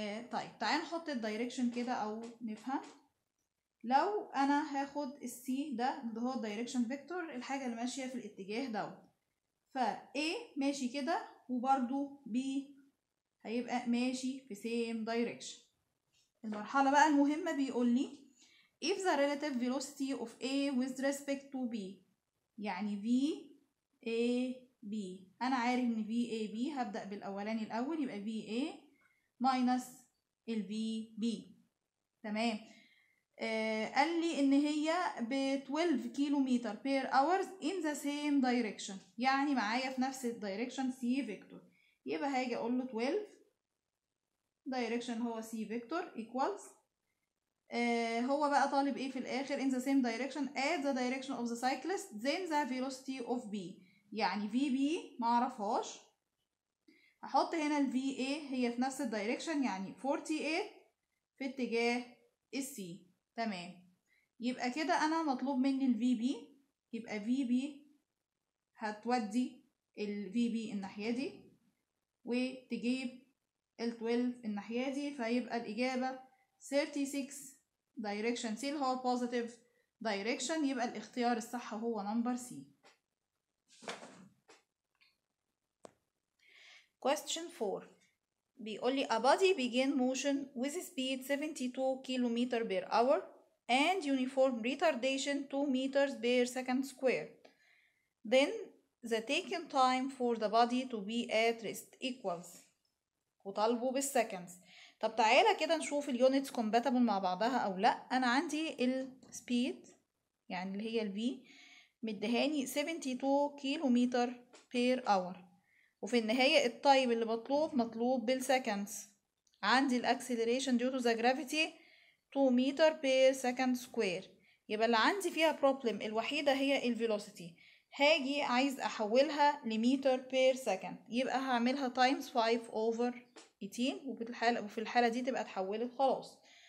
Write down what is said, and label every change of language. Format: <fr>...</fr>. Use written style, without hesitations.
<ar>طيب تعال نحط الدايركشن كده او نفهم. لو انا هاخد السي ده اللي هو الدايركشن فيكتور، الحاجة اللي ماشية في الاتجاه ده، فا A ماشي كده وبرضو B هيبقى ماشي في سيم دايركشن. المرحلة بقى المهمة بيقول لي</ar> <en>if the relative velocity of A with respect to B،</en> <ar>يعني V A B، انا عارف ان V A B هبدأ بالاولاني الاول، يبقى V A</ar> <en>minus</en> <ar>ال V B. تمام قال لي ان هي ب 12 كيلومتر</ar> <en>per hours in the same direction،</en> <ar>يعني معايا في نفس ال direction C vector، يبقى هاجي اقول له 12 direction هو C vector equals هو بقى طالب ايه في الاخر</ar> <en>in the same direction at the direction of the cyclist then the velocity of B،</en> <ar>يعني V B معرفهاش، احط هنا ال VA هي في نفس الدايركشن يعني 48 في اتجاه C. تمام يبقى كده انا مطلوب مني ال VB، يبقى VB هتودي ال VB الناحية دي وتجيب ال 12 الناحية دي، فيبقى الاجابة 36 direction C اللي هو positive direction، يبقى الاختيار الصح هو نمبر C.</ar> <en>question 4</en> <ar>بيقول لي</ar> <en>a body begin motion with speed 72 kilometre per hour and uniform retardation 2 meters per second square then the taken time for the body to be at rest equals،</en> <ar>وطالبه بالseconds. طب تعالى كده نشوف اليونتس كومباتبل مع بعضها او لا. انا عندي السبيد يعني اللي هي الفي مدهاني 72 كيلومتر per hour، وفي النهاية الطيب اللي مطلوب مطلوب بالseconds، عندي الacceleration due to the gravity 2 meter per second square، يبقى اللي عندي فيها problem الوحيدة هي الvelocity، هاجي عايز أحولها لmeter per second، يبقى هعملها times 5 over 18 وفي الحالة دي تبقى تحولت خلاص.</ar>